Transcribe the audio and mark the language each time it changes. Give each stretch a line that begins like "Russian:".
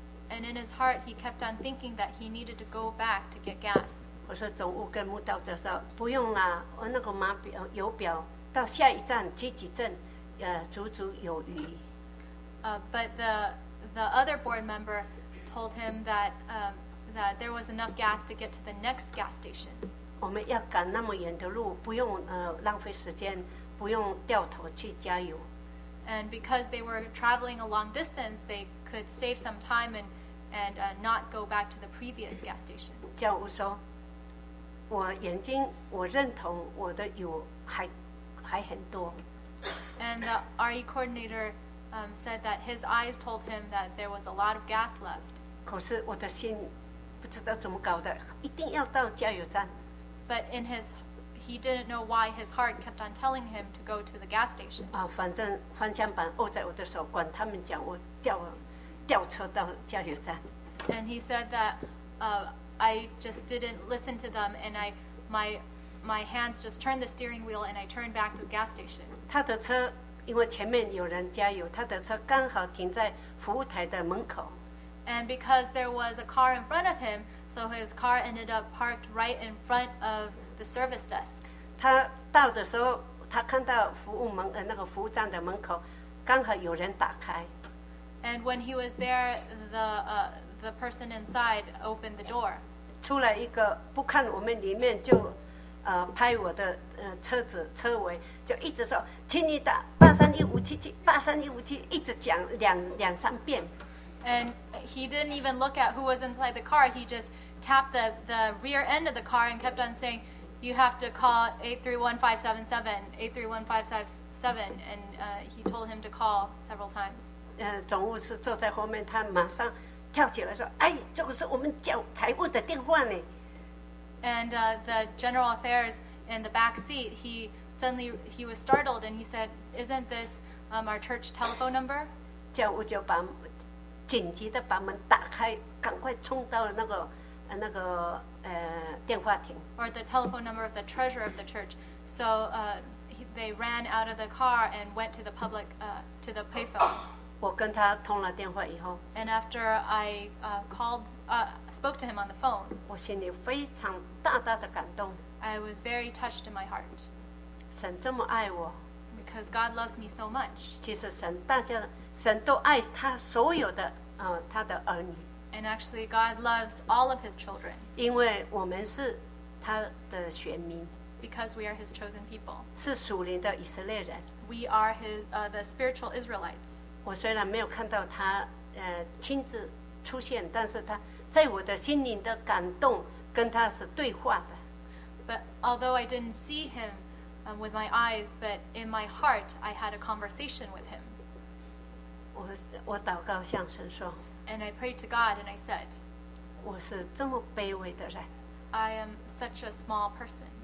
English: And in his heart, he kept on thinking that he needed to go back to get gas.
Chinese: 我说总务跟慕道者说不用了，我那个码表油表。到下一站积极镇，足足有余。
English: But the other board member told him that that there was enough gas to get to the next gas station.
Chinese: 我们要赶那么远的路，不用浪费时间，不用掉头去加油。
English: And because they were traveling a long distance, they could save some time and not go back to the previous gas station.
Chinese: 教务说，我眼睛我认同我的油还很多。
English: And the RE coordinator said that his eyes told him that there was a lot of gas left.
Chinese: 可是我的心不知道怎么搞的，一定要到加油站。
English: But in his, he didn't know why his heart kept on telling him to go to the gas station.
Chinese: 反正方向盘握在我的手，管他们讲，我调车到加油站。
English: And he said that I just didn't listen to them, and my hands just turned the steering wheel and I turned back to the gas station.
Chinese: 他的车因为前面有人加油，他的车刚好停在服务台的门口。
English: And because there was a car in front of him, so his car ended up parked right in front of the service desk.
Chinese: 他到的时候，他看到服务门那个服务站的门口刚好有人打开。
English: And when he was there, the person inside opened the door.
Chinese: 出来一个不看我们里面就拍我的车子车尾，就一直说，请你打831577，831577，一直讲两三遍。
English: And he didn't even look at who was inside the car. He just tapped the rear end of the car and kept on saying, "You have to call 831577, 831577." And he told him to call several times.
Chinese: 总务是坐在后面，他马上跳起来说，哎，这个是我们叫财务的电话呢。
English: And the general affairs in the back seat, he was startled and he said, isn't this our church telephone number?
Chinese: 教务就把紧急的把门打开，赶快冲到了那个电话亭。
English: Or the telephone number of the treasurer of the church. So they ran out of the car and went to the public, to the payphone.
Chinese: 我跟他通了电话以后。
English: And after I called, spoke to him on the phone.
Chinese: 我心里非常大大的感动。
English: I was very touched in my heart.
Chinese: 神这么爱我。
English: Because God loves me so much.
Chinese: 其实神都爱他所有的他的儿女。
English: And actually, God loves all of His children.
Chinese: 因为我们是他的选民。
English: because we are his chosen people.
Chinese: 是属灵的以色列人。
English: We are his, the spiritual Israelites.
Chinese: 我虽然没有看到他亲自出现，但是他在我的心灵的感动跟他是对话的。
English: But although I didn't see him with my eyes, but in my heart, I had a conversation with him.
Chinese: 我祷告向神说。
English: And I prayed to God and I said,
Chinese: 我是这么卑微的人。
English: I am such a small person.